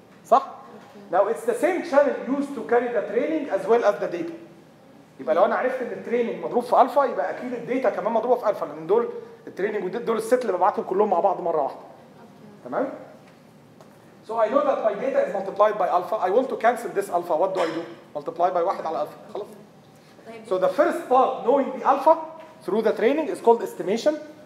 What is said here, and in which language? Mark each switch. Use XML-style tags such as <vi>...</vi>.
<ar>صح؟</ar> <en>Now it's the same channel used to carry the training as well as the data.</en> <ar>يبقى لو انا عرفت ان التريننج مضروب في الفا يبقى اكيد الداتا كمان مضروبه في الفا لان دول التريننج ودول الست اللي ببعتهم كلهم مع بعض مره واحده تمام.</ar> <en>So I know that my data is multiplied by alpha. I want to cancel this alpha. What do I do? Multiply by 1 على alpha. خلاص. So the first part knowing the alpha through the training is called estimation.</en>